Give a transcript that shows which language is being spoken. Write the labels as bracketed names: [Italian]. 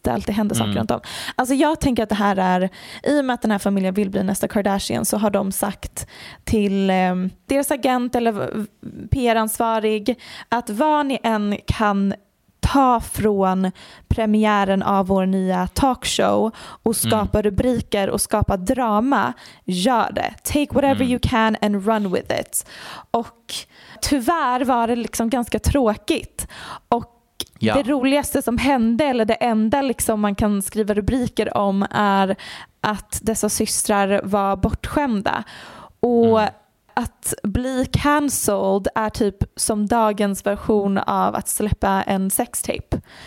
[Swedish] Det alltid händer saker runt om. Alltså jag tänker att det här är, i och med att den här familjen vill bli nästa Kardashian, så har de sagt till deras agent eller PR-ansvarig att vad ni än kan ta från premiären av vår nya talkshow och skapa rubriker och skapa drama, gör det. [English] Take whatever you can and run with it. [Swedish] Och tyvärr var det liksom ganska tråkigt. Och det roligaste som hände, eller det enda liksom man kan skriva rubriker om, är att dessa systrar var bortskämda. Och att bli cancelled är typ som dagens version av att släppa en sextape.